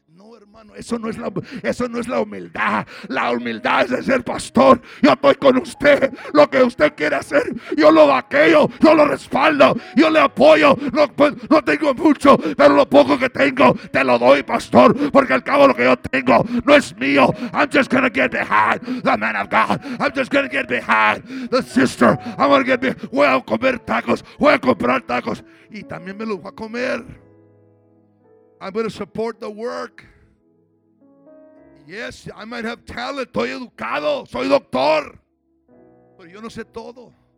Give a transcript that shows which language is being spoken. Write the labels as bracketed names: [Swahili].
[Spanish] No, hermano, eso no es la humildad. La humildad es de ser pastor. Yo estoy con usted. Lo que usted quiere hacer, yo lo vaqueo, yo lo respaldo, yo le apoyo. No tengo mucho, pero lo poco que tengo te lo doy, pastor, porque al cabo lo que yo tengo no es mío. [English] I'm just gonna get behind the man of God. I'm just gonna get behind the sister. I'm gonna get behind. [Spanish] Voy a comer tacos, voy a comprar tacos. Y también me lo voy a comer. [English] I'm going to support the work. Yes, I might have talent. [Spanish] Estoy educado. Soy doctor. Pero yo no sé todo.